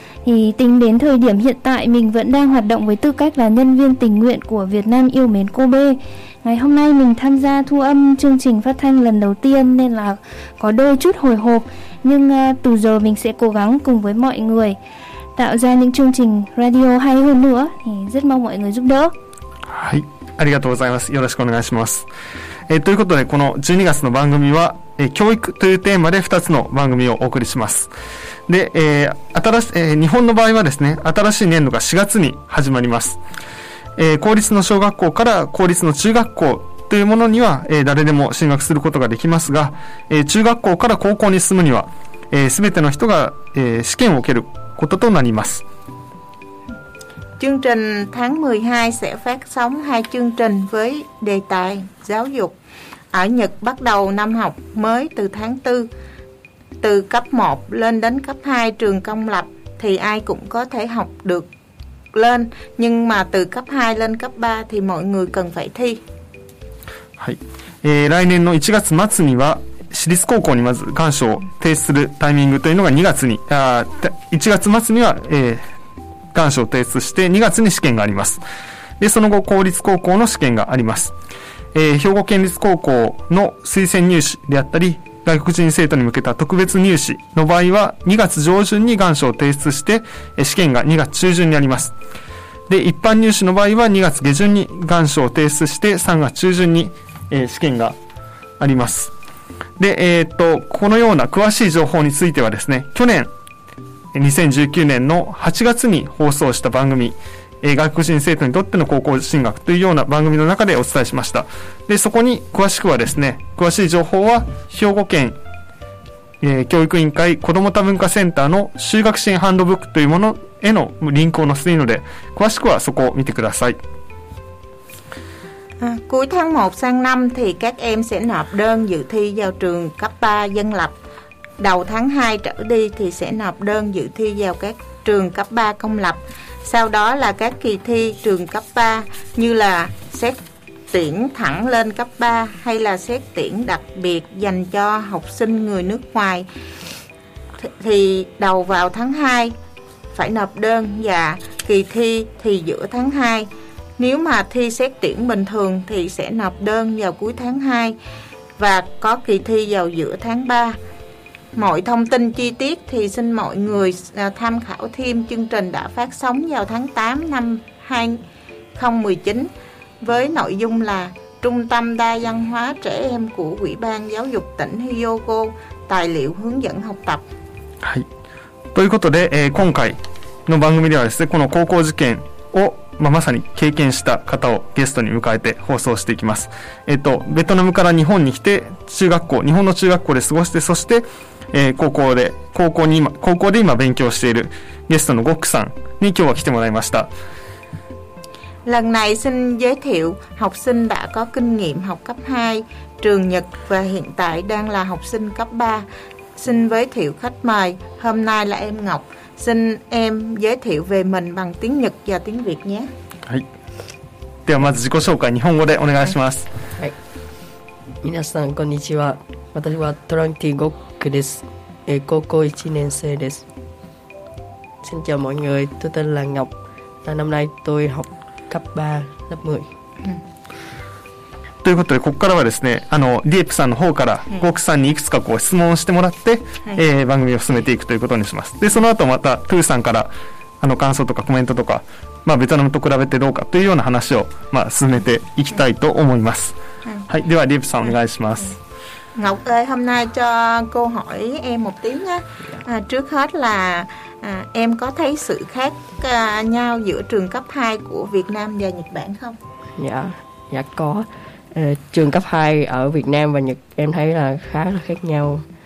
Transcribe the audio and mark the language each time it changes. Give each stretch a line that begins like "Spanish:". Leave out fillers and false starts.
Vietnamese: Thì tính đến thời điểm hiện tại, mình vẫn đang hoạt động với tư cách là nhân viên tình nguyện của Việt Nam yêu mến Kobe. Ngày hôm nay mình tham gia thu âm chương trình phát thanh lần đầu tiên nên là có đôi chút hồi hộp. Nhưng từ giờ mình sẽ cố gắng cùng với mọi người tạo ra những chương trình radio hay hơn nữa, thì rất mong mọi người giúp đỡ.
Japanese: はい、ありがとうございます。よろしくお願いします。ということで、この12月の番組は、教育というテーマで2つの番組をお送りします。で、日本の場合はですね、新しい年度が4月に始まります。公立の小学校から公立の中学校というものには誰でも進学することができますが、中学校から高校に進むには全ての人が試験を受けることとなります。
Vietnamese: Chương trình tháng 12 sẽ phát sóng hai chương trình với đề tài giáo dục. Ở Nhật bắt đầu năm học mới từ tháng 4, từ cấp 1 lên đến cấp 2 trường công lập thì ai cũng có thể học được lên, nhưng mà từ cấp 2 lên cấp 3 thì mọi người cần phải thi.
Japanese: はい、来年の1月末には私立高校にまず願書を提出するタイミングというのが2月に、1月末には、願書を提出して2月に試験があります。で、その後公立高校の試験があります。兵庫県立高校の推薦入試であったり外国人生徒に向けた特別入試の場合は2月上旬に願書を提出して試験が2月中旬にあります。で、一般入試の場合は2月下旬に願書を提出して3月中旬に、試験があります。で、このような詳しい情報についてはですね、去年2019年の8月に放送した番組、外国人生徒にとっての高校進学というような番組の中でお伝えしました。で、そこに詳しくはですね、詳しい情報は兵庫県、教育委員会子ども多文化センターの就学支援ハンドブックというものへのリンクを載せているので、詳しくはそこを見てください。
Vietnamese: Cuối tháng 1 sang năm thì các em sẽ nộp đơn dự thi vào trường cấp 3 dân lập. Đầu tháng 2 trở đi thì sẽ nộp đơn dự thi vào các trường cấp 3 công lập. Sau đó là các kỳ thi trường cấp 3 như là xét tuyển thẳng lên cấp 3 hay là xét tuyển đặc biệt dành cho học sinh người nước ngoài. Thì đầu vào tháng 2 phải nộp đơn và kỳ thi thì giữa tháng 2. Nếu mà thi xét tuyển bình thường thì sẽ nộp đơn vào cuối tháng 2 và có kỳ thi vào giữa tháng 3. Mọi thông tin chi tiết thì xin mọi người tham khảo thêm chương trình đã phát sóng vào tháng 8 năm 2019 với nội dung là Trung tâm Đa văn hóa trẻ em của Ủy ban Giáo dục tỉnh Hyogo, tài liệu hướng dẫn học tập.
Japanese: ということで、今回の番組ではですね、この高校受験を、まあ、まさに経験した方をゲストに迎えて放送していきます。ベトナムから日本に来て中学校、日本の中学校で過ごして、そして、高校で今勉強しているゲストのゴックさんに今日は来てもらいました。
Vietnamese: Lần này xin giới thiệu học sinh đã có kinh nghiệm học cấp 2 trường Nhật và hiện tại đang là học sinh cấp 3. Xin giới thiệu khách mời hôm nay là em Ngọc. Xin em giới thiệu về mình bằng tiếng Nhật và tiếng Việt nhé.
Japanese: ではまず自己紹介日本語でお願いします。皆さんこんにちは。私はトランティゴックです。高校1年生です。
Vietnamese: Xin chào mọi người, tôi tên là Ngọc. Năm nay tôi học cấp 3 lớp 10.
Japanese: ということで、ここからはですね、ディープさんの方からゴックさんにいくつかこう質問をしてもらって、番組を進めていくということにします。でその後またトゥーさんから感想とかコメントとか、まあ、ベトナムと比べてどうかというような話を、まあ、進めていきたいと思います。はい、ではディープさんお願いします。
Vietnamese: Ngọc ơi, hôm nay cho cô hỏi em một tiếng nha. Trước hết là em có thấy sự khác nhau giữa trường cấp 2 của Việt Nam và Nhật Bản không? Dạ có. Trường cấp 2 ở Việt Nam và Nhật em thấy là khá là khác nhau.